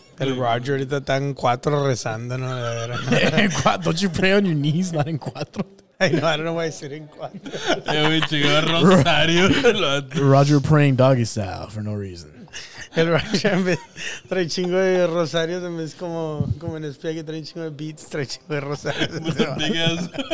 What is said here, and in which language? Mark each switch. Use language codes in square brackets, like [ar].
[es] El Roger ahorita está en cuatro rezando, ¿no? [en] Don't you pray on your knees, not in cuatro. I don't know why I said in cuatro. Roger praying doggy style for no reason. [es] El Roger trae chingo de rosarios en vez como en espía que trae chingo de beats, trae chingo de rosarios.